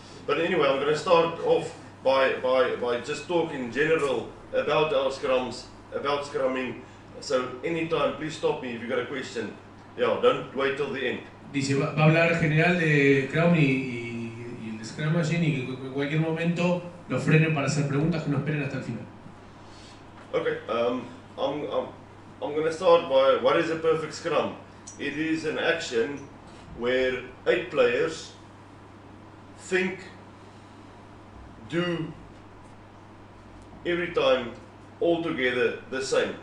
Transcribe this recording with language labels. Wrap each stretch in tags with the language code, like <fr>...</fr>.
<en>But anyway, I'm going to start off by just talking in general about our scrums, about scrumming. So anytime, please stop me if you've got a question. Yeah, don't wait till the end.</en> <es>Dice, va a hablar general de Scrum y el Scrum Machine y que en cualquier momento lo frenen para hacer preguntas que no esperen hasta el final.</es> <en>Okay, I'm going to start by what is a perfect Scrum? It is an action where 8 players think, do every time all together the same.</en>